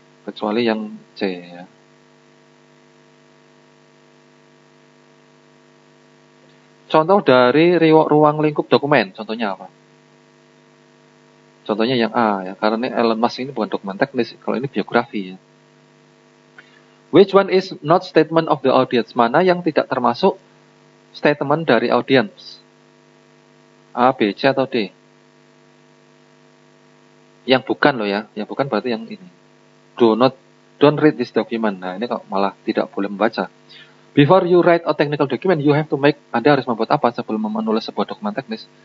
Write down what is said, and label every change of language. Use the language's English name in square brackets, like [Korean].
[Indonesian] Kecuali yang C ya. Contoh dari ruang lingkup dokumen, contohnya apa? Contohnya yang A, ya, karena Elon Musk ini bukan dokumen teknis, kalau ini biografi. Ya. [English] Which one is not statement of the audience? [Indonesian] Mana yang tidak termasuk statement dari audience? A, B, C, atau D? Yang bukan loh ya, yang bukan berarti yang ini. [English] Don't read this document. [Indonesian] Nah, ini kok malah tidak boleh membaca. [English] Before you write a technical document, you have to make, [Indonesian] Anda harus membuat apa sebelum menulis sebuah dokumen teknis?